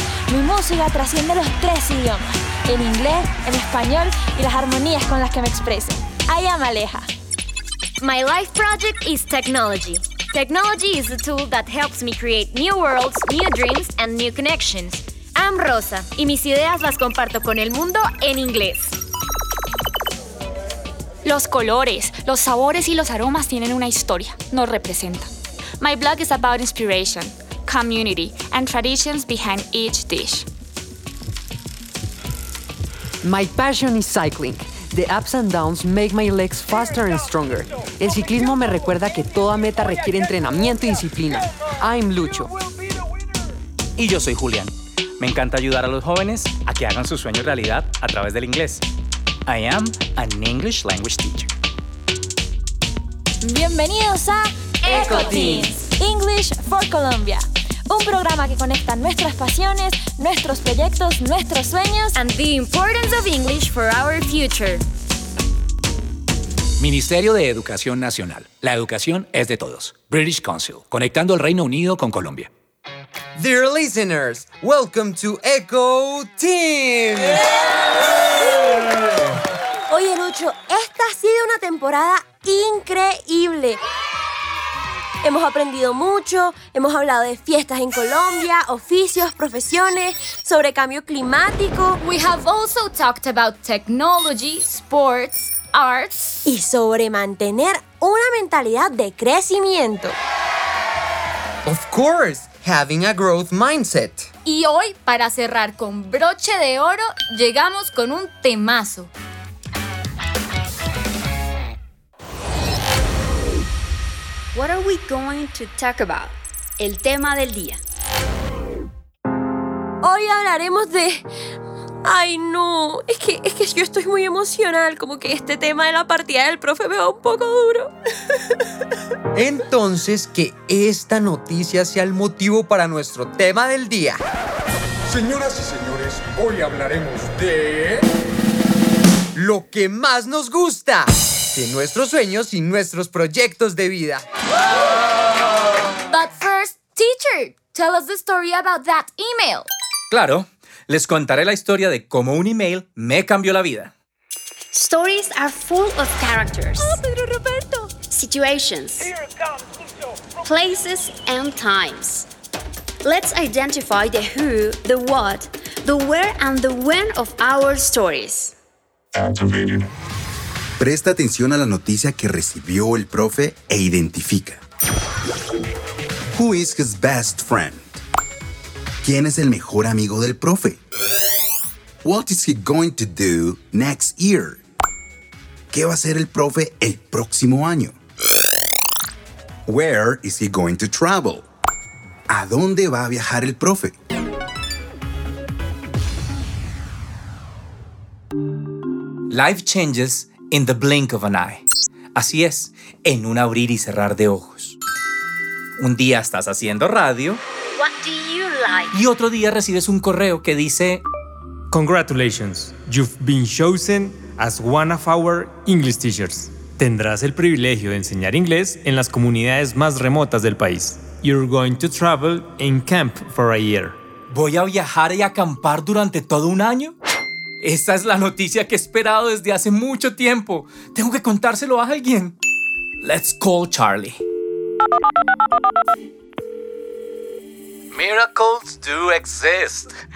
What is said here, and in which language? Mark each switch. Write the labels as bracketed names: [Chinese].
[Spanish] Mi música trasciende los tres idiomas, en inglés, en español y las armonías con las que me expreso. [English] I am Aleja. My life project is technology. Technology is a tool that helps me create new worlds, new dreams, and new connections. I'm Rosa, [Spanish] y mis ideas las comparto con el mundo en inglés. Los colores, los sabores y los aromas tienen una historia, nos representan. [English] My blog is about inspiration, community, and traditions behind each dish. My passion is cycling. The ups and downs make my legs faster and stronger. [Spanish] El ciclismo me recuerda que toda meta requiere entrenamiento y disciplina. [English] I'm Lucho. [Spanish] Y yo soy Julián. Me encanta ayudar a los jóvenes a que hagan sus sueños realidad a través del inglés. [English] I am an English language teacher. [Spanish] Bienvenidos a [English] EcoTeens, English for Colombia. [Spanish] Un programa que conecta nuestras pasiones, nuestros proyectos, nuestros sueños [English] and the importance of English for our future. [Spanish] Ministerio de Educación Nacional. La educación es de todos. British Council. Conectando el Reino Unido con Colombia. [English] Dear listeners, welcome to EcoTeens. Yeah. [Spanish] Oye, Lucho, esta ha sido una temporada increíble. Hemos aprendido mucho, hemos hablado de fiestas en Colombia, oficios, profesiones, sobre cambio climático. [English] We have also talked about technology, sports, arts. [Spanish] Y sobre mantener una mentalidad de crecimiento. [English] Of course, having a growth mindset. [Spanish] Y hoy, para cerrar con broche de oro, llegamos con un temazo. [English] What are we going to talk about? [Spanish] El tema del día. Hoy hablaremos de... ¡Ay, no! Es que yo estoy muy emocional. Como que este tema de la partida del profe me va un poco duro. Entonces, que esta noticia sea el motivo para nuestro tema del día. Señoras y señores, hoy hablaremos de... Lo que más nos gusta. De nuestros sueños y nuestros proyectos de vida. [English] But first, teacher, tell us the story about that email. [Spanish] Claro, les contaré la historia de cómo un email me cambió la vida. [English] Stories are full of characters. Oh, Pedro Roberto. Situations. Places and times. Let's identify the who, the what, the where and the when of our stories. Activated. [Spanish] Presta atención a la noticia que recibió el profe e identifica. [English] Who is his best friend? [Spanish] ¿Quién es el mejor amigo del profe? [English] What is he going to do next year? [Spanish] ¿Qué va a hacer el profe el próximo año? [English] Where is he going to travel? [Spanish] ¿A dónde va a viajar el profe? [English] Life changes in the blink of an eye. [Spanish] Así es, en un abrir y cerrar de ojos. Un día estás haciendo radio. [English] What do you like? [Spanish] Y otro día recibes un correo que dice: [English] Congratulations, you've been chosen as one of our English teachers. [Spanish] Tendrás el privilegio de enseñar inglés en las comunidades más remotas del país. [English] You're going to travel and camp for a year. [Spanish] ¿Voy a viajar y acampar durante todo un año? Esa es la noticia que he esperado desde hace mucho tiempo. Tengo que contárselo a alguien. [English] Let's call Charlie. Miracles do exist.